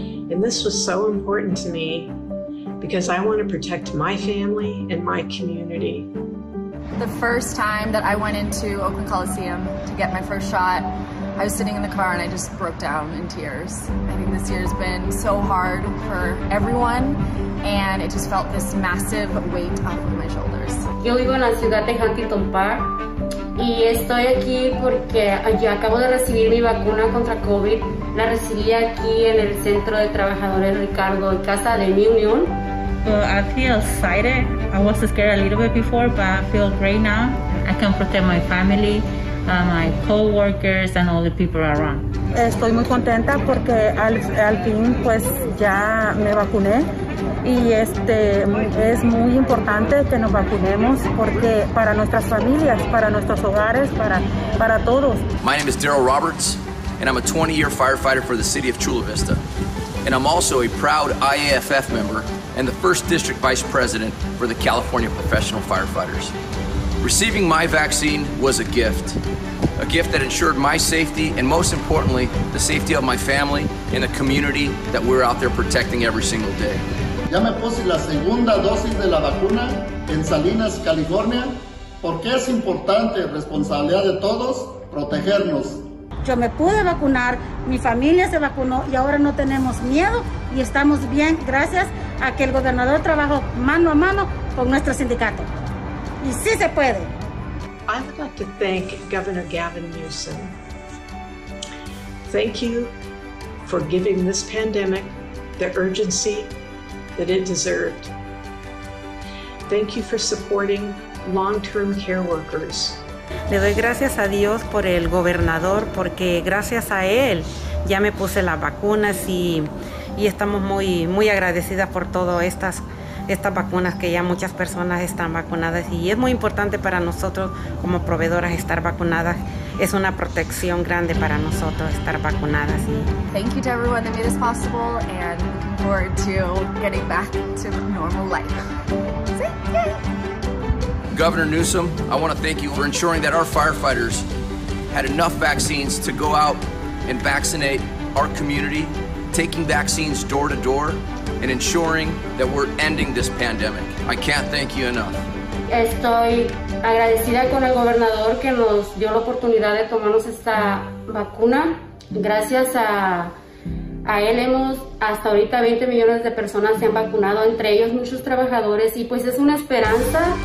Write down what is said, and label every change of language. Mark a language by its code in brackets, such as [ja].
[en] And this was so important to me because I want to protect my family and my community. The first time that I went into Oakland Coliseum to get my first shot, I was sitting in the car and I just broke down in tears. I think this year has been so hard for everyone, and it just felt this massive weight off of my shoulders. [es] Yo vivo en la ciudad de Huntington Park, y estoy aquí porque yo acabo de recibir mi vacuna contra COVID. La recibí aquí en el Centro de Trabajadores Ricardo, en Casa de Mi Unión. [en] Well, I feel excited. I was scared a little bit before, but I feel great now. I can protect my family, my co-workers, and all the people around. [es] Estoy muy contenta porque al fin pues ya me vacuné. Y es muy importante que nos vacunemos porque para nuestras familias, para nuestros hogares, para todos. [en] My name is Daryl Roberts, and I'm a 20-year firefighter for the city of Chula Vista. And I'm also a proud IAFF member and the first district vice president for the California Professional Firefighters. Receiving my vaccine was a gift that ensured my safety and most importantly, the safety of my family and the community that we're out there protecting every single day. [es] Ya me puse la segunda dosis de la vacuna en Salinas, California, porque es importante, responsabilidad de todos, protegernos. Yo me pude vacunar, mi familia se vacunó y ahora no tenemos miedo y estamos bien gracias a que el gobernador trabajó mano a mano con nuestro sindicato. Y sí se puede. [en] I would like to thank Governor Gavin Newsom. Thank you for giving this pandemic the urgency that it deserved. Thank you for supporting long-term care workers. [es] Le doy gracias a Dios por el gobernador, porque gracias a él ya me puse las vacunas y estamos muy, muy agradecidas por todas estas vacunas, que ya muchas personas están vacunadas. Y es muy importante para nosotros como proveedoras estar vacunadas. Es una protección grande para nosotros estar vacunadas. [en] Thank you to everyone that made this possible, and looking forward to getting back to normal life. Governor Newsom, I want to thank you for ensuring that our firefighters had enough vaccines to go out and vaccinate our community, taking vaccines door to door, and ensuring that we're ending this pandemic. I can't thank you enough. [es] Estoy agradecida con el gobernador que nos dio la oportunidad de tomarnos esta vacuna. Gracias a él hemos, hasta ahorita 20 millones de personas se han vacunado, entre ellos muchos trabajadores, y pues es una esperanza.